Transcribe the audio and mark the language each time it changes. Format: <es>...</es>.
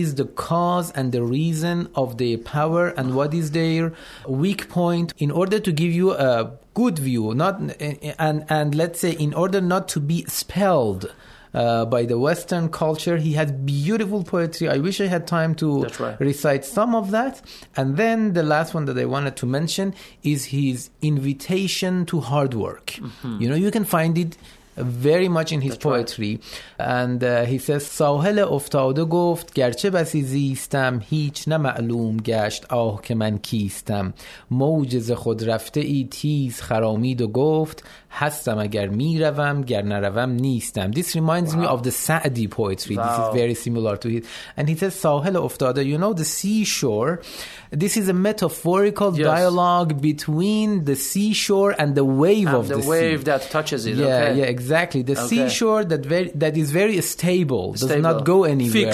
<en>is the cause and the reason of their power, and what is their weak point, in order to give you a good view, and let's say in order not to be spelled by the Western culture. He had beautiful poetry. I wish I had time to recite some of that. And then the last one that I wanted to mention is his invitation to hard work. Mm-hmm. You know, you can find it very much in his That's poetry. Right. And he says,</en> <fa>ساحل افتاده گفت گرچه بسی زیستم هیچ نمعلوم گشت آه که من کیستم موجز خود رفته ای تیز خرامید و گفت هستم اگر میروم گر نروم نیستم.</fa> <en>This reminds me of the Sa'di poetry. Wow. This is very similar to it. And he says, ساحل افتاده, you know, the seashore, this is a metaphorical dialogue between the seashore and the wave and of the sea. And the wave that touches it. Yeah, okay. Yeah, exactly. Exactly. The seashore that is very stable, does not go anywhere.</en>